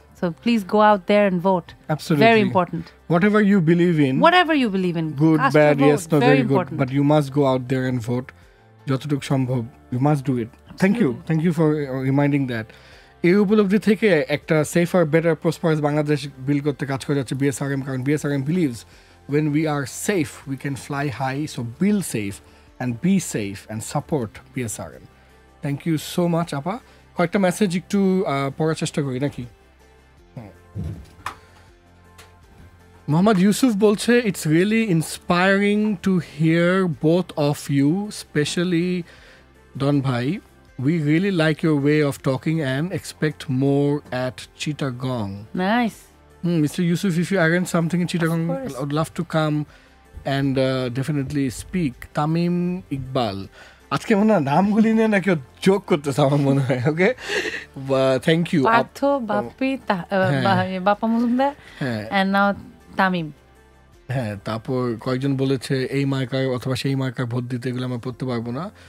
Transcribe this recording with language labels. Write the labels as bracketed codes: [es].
[en] so please go out there and vote, absolutely, very important, whatever you believe in good, bad, yes, no, very good, but you must go out there and vote [bn] jototuk shombhob, [en] you must do it. Absolutely. thank you for reminding that. [bn] এই উপলব্ধি থেকে একটা safer, better, prosperous Bangladesh বিল করতে কাজ করে যাচ্ছে BSRM, কারণ BSRM [en] Believes when we are safe we can fly high, so build safe and be safe and support BSRM. Thank you so much [bn] আপা, কয়েকটা মেসেজ একটু পড়ার চেষ্টা করি নাকি। মোহাম্মদ ইউসুফ বলছে, [en] It's really inspiring to hear both of you, specially Don ভাই, we really like your way of talking and expect more at Chittagong. Nice. Mr. Yusuf, if you arrange something in Chittagong, I'd love to come and definitely speak. [bn] Tamim Iqbal, আজকে মনে হয় নামগুলি নিয়ে না কেউ joke করতেছে আমার মনে হয়, ওকে, [en] thank you [bn] পার্থ, বাপি, বাপা মজুমদার, হ্যাঁ, নাও তামিম, হ্যাঁ, তারপর কয়েকজন বলেছে এই মার্কার অথবা সেই মার্কার ভোট দিতে, এগুলো আমরা পড়তে পারবো না।